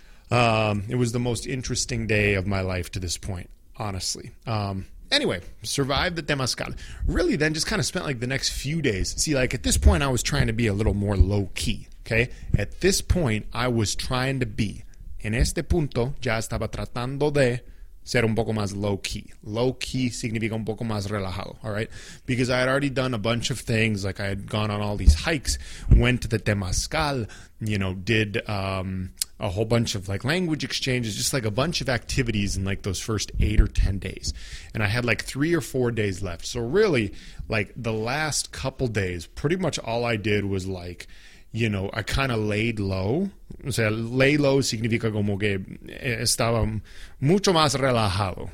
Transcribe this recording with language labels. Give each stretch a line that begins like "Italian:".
English: It was the most interesting day of my life to this point, honestly. Anyway, survived the Temazcal. Really, then, just kind of spent, like, the next few days. See, like, at this point, I was trying to be a little more low-key, okay? At this point, I was trying to be...
Spanish: En este punto, ya estaba tratando de ser un poco más low-key. Low-key significa un poco más relajado, all right?
English: Because I had already done a bunch of things, like I had gone on all these hikes, went to the Temazcal, you know, did a whole bunch of, like, language exchanges, just, like, a bunch of activities in, like, those first 8 or 10 days. And I had, like, 3 or 4 days left. So, really, like, the last couple days, pretty much all I did was, like... You know, I kind of laid low.
Spanish: O sea, lay low significa como que estaba mucho más relajado.